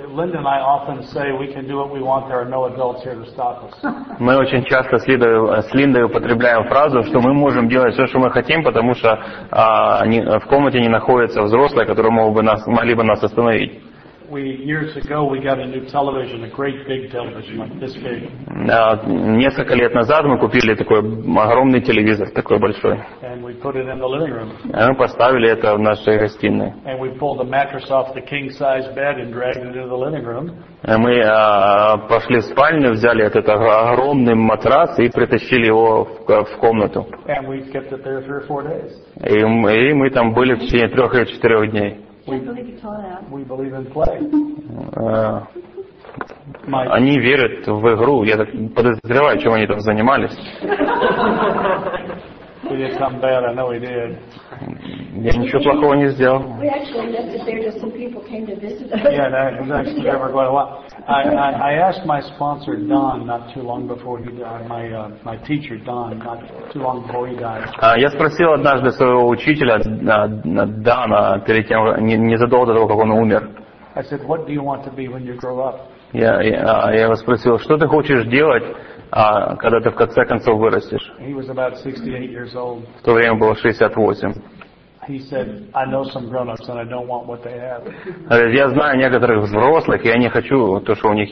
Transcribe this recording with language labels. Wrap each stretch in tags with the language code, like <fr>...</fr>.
<en>Linda and I often say we can do what we want. There are no adults here to stop us.</en> <ru>Мы очень часто с Линдой употребляем фразу, что мы можем делать все, что мы хотим, потому что в комнате не находятся взрослые, которые могли бы нас остановить.</ru> <en>We years ago we got a new television, a great big television like this big.</en> <ru>Несколько лет назад мы купили такой огромный телевизор, такой большой.</ru> <en>And we put it in the living room.</en> <ru>Мы поставили это в нашей гостиной.</ru> <en>And we pulled the mattress off the king size bed and dragged it into the living room.</en> <ru>Мы пошли в спальню, взяли этот огромный матрас и притащили его в комнату.</ru> <en>And we kept it there 3 or 4 days.</en> <ru>И мы там были в течение</ru> <en>3 or 4</en> <ru>дней.</ru> <en>We believe in play.</en> <ru>Они верят в игру. Я так подозреваю, чем они там занимались.</ru> <en>We did something bad. I know we did.</en> <ru>Я ничего плохого не сделал.</ru> <en>We actually left it there just some people came to visit us. Yeah, that was actually never quite a lot. I asked my sponsor Don not too long before he died. My teacher Don not too long before he died.</en> <ru>Я спросил однажды своего учителя Дана перед тем незадолго до того, как он умер.</ru> <en>I said, "What do you want to be when you grow up?"</en> <ru>Я его спросил, что ты хочешь делать, когда ты в конце концов вырастешь? В то время было 68. Я знаю некоторых взрослых, и я не хочу то, что у них</ru>